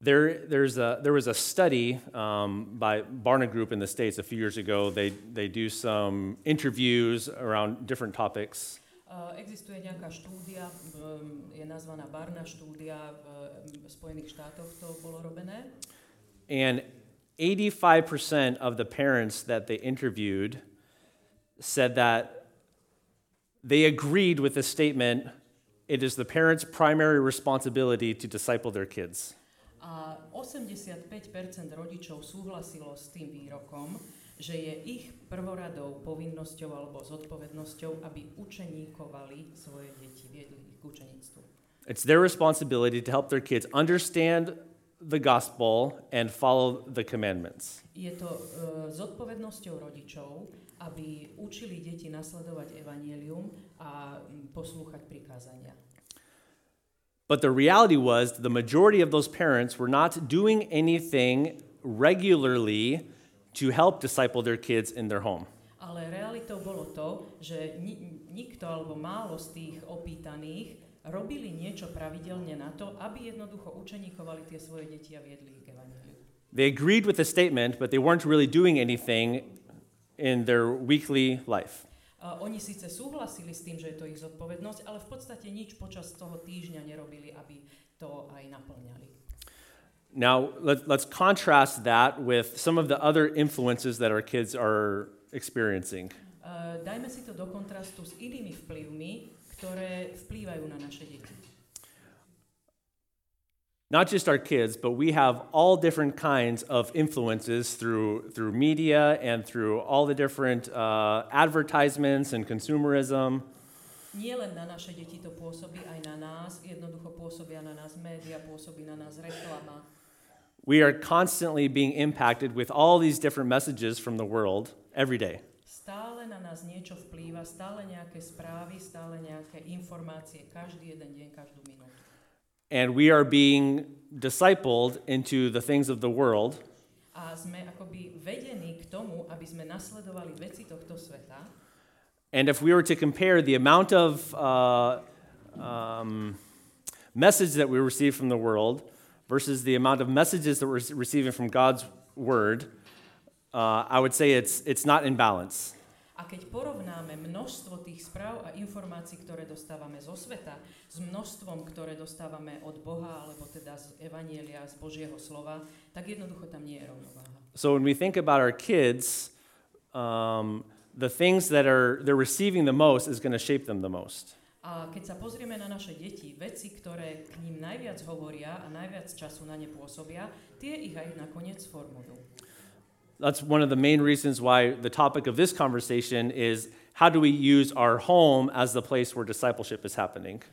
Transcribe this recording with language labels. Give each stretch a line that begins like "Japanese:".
English: There was a study by Barna Group in the States a few years ago. They do some interviews around different topics.
Slovak: Existuje nejaká štúdia, je nazvaná Barna štúdia v Spojených štátoch, to bolo robené.
English: And 85% of the parents that they interviewed said that they agreed with the statement, it is the parents' primary responsibility to disciple their kids.
Slovak: A 85% rodičov súhlasilo s tým výrokom, že je ich prvoradou povinnosťou alebo zodpovednosťou, aby učeníkovali svoje deti, viedli ich k učeníctvu.
English: It's their responsibility to help their kids understand the gospel and follow the commandments.
Slovak: Je to zodpovednosťou rodičov, aby učili deti nasledovať evanjelium a poslúchať prikázania.
English: But the reality was the majority of those parents were not doing anything regularly to help disciple their kids in their home.
Slovak: Ale realitou bolo to, že nikto alebo málo z tých opýtaných robili niečo pravidelne na to, aby jednoducho učeníkovali tie svoje deti a viedli ich k evanjeliu.
English: They agreed with the statement, but they weren't really doing anything in their weekly life.
Slovak: Oni síce súhlasili s tým, že je to ich zodpovednosť, ale v podstate nič počas toho týždňa nerobili, aby to aj naplňali.
English: Now, let's contrast that with some of the other influences that our kids are experiencing.
Slovak: Dajme si to do kontrastu s inými vplyvmi, ktoré vplývajú na naše deti.
English: Not just our kids, but we have all different kinds of influences through media and through all the different advertisements and consumerism.
Slovak: Nie len na naše deti to pôsobí, aj na nás. Jednoducho pôsobia na nás média, pôsobí na nás reklama.
English: We are constantly being impacted with all these different messages from the world every day.
Slovak: Stále stále na nás niečo vplýva, stále nejaké správy, stále nejaké informácie, každý jeden deň, každú minútu.
English: And we are being discipled into the things of the world.
Slovak: A sme akoby vedení k tomu, aby sme nasledovali veci tohto sveta.
English: And if we were to compare the amount of message that we receive from the world versus the amount of messages that we're receiving from God's word, I would say it's not in balance.
Slovak: A keď porovnáme množstvo tých správ a informácií, ktoré dostávame zo sveta, s množstvom, ktoré dostávame od Boha, alebo teda z Evanjelia, z Božieho slova, tak jednoducho tam nie je rovnováha.
English: So when we think about our kids, the things that are they're receiving the most is going to shape them the most.
Slovak: A keď sa pozrieme na naše deti, veci, ktoré k ním najviac hovoria a najviac času na ne pôsobia, tie ich aj nakoniec formujú.
English: That's one of the main reasons why the topic of this conversation is how do we use our home as the place where discipleship is happening.